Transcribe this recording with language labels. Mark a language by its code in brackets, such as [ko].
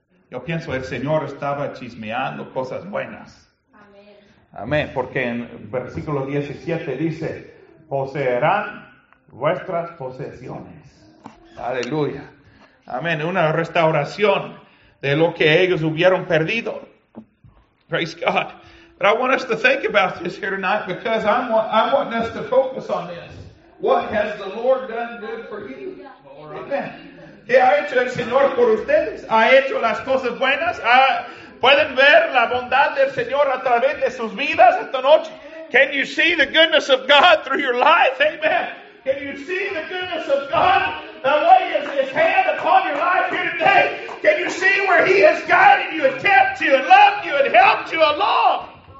[es] Yo pienso, el Señor estaba chismeando cosas buenas. Amén. Amén. Porque en versículo 17 dice, poseerán vuestras posesiones. Aleluya. Amén. Una restauración de lo que ellos hubieron perdido. [en] Praise God. But I want us to think about this here tonight because I'm wanting us to focus on this. What has the Lord done good for you? Amen. [es] ¿Qué ha hecho el Señor por ustedes? ¿Ha hecho las cosas buenas? ¿Pueden ver la bondad del Señor a través de sus vidas esta noche? [en] Can you see the goodness of God through your life? Amen. Can you see the goodness of God? The way his hand upon your life here today. Can you see where he has guided you and kept you and loved you and helped you along?